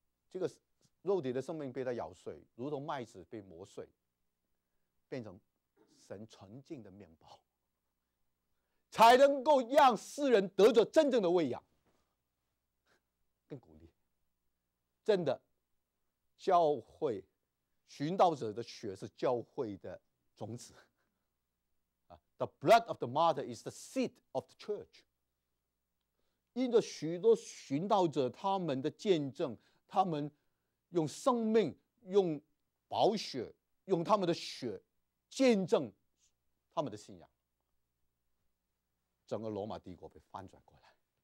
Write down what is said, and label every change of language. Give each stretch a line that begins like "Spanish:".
Chinese: 这个肉体的生命被他咬碎，如同麦子被磨碎，变成神纯净的面包，才能够让世人得着真正的喂养。更鼓励，真的，教会寻道者的血是教会的种子。
English: The blood of the martyr is the seed of the church。
Chinese: 因着许多寻道者他们的见证，他们用生命，用宝血，用他们的血见证他们的信仰，整个罗马帝国被翻转过来。